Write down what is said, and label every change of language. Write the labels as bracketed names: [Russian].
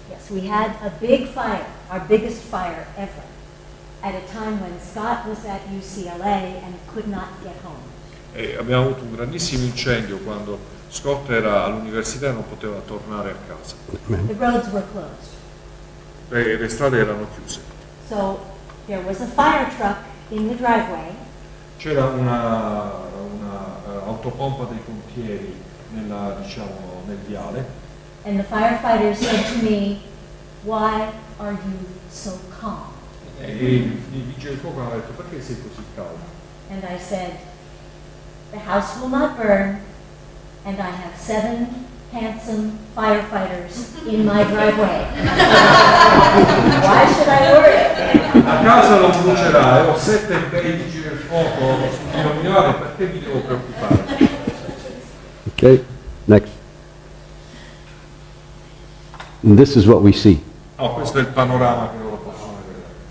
[English] We had a big fire, our biggest fire ever, at a time when Scott was at UCLA and could not get home. [Italian] E abbiamo avuto un grandissimo incendio quando Scott era all'università e non poteva tornare a casa. [English] The roads were closed. [Italian] E le strade erano chiuse. [English] So there was a fire truck in the driveway. [Italian] C'era una autopompa dei pompieri nella, diciamo, nel viale. [English] And the firefighters said to me, why are you so calm? [Italian] il vigile del fuoco mi ha detto, perché sei così calmo? [English] And I said, the house will not burn, and I have 7 handsome firefighters in my driveway. Why should I worry? [Italian] A casa non brucerà, ho 7 bei vigili del fuoco sul mio minore, perché mi devo preoccupare? [English] Okay, next. And this is what we see. [Italian] Oh, questo è il panorama che loro possono vedere.